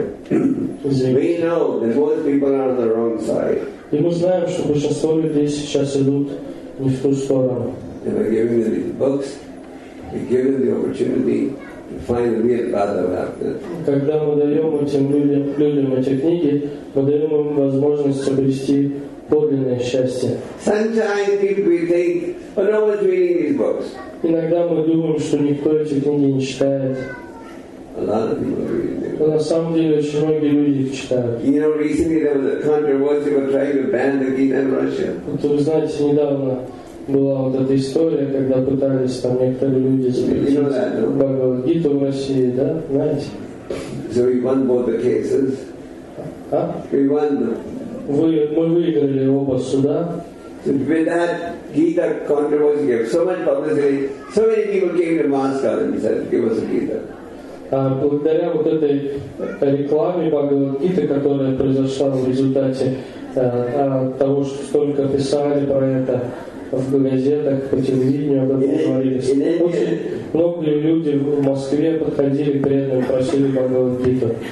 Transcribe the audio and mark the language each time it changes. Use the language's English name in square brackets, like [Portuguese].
[English] We know that most people are on the wrong side. [Russian] И мы знаем, что большинство людей сейчас идут не в ту сторону. [English] And we're giving them these books, we're giving them the opportunity to find the real path of happiness. [Russian] Когда мы даем этим людям эти книги, мы даем им возможность обрести подлинное счастье. [English] Sometimes people think, oh, no one's reading these books. [Russian] Иногда мы думаем, что никто эти книги не читает. [English] A lot of people read. [Russian] Но на самом деле очень многие люди их читают. [English] You know, recently there was a controversy about trying to ban the Gita in Russia. [Russian] Вот вы знаете, недавно была вот эта история, когда пытались там некоторые люди запретить Гиту в России, да? Знаете? [English] So we won both the cases. [Russian] А? [English] We won them. [Russian] Мы выиграли оба суда. [English] So with that Gita controversy, so much publicity, so many people came to Moscow and said, give us a Gita. [Russian] благодаря вот этой рекламе Бхагавад-гиты, которая произошла в результате того, что столько писали про это в газетах, по телевидению об этом говорили. Очень многие люди в Москве подходили к этому, просили Бхагавад-гиту.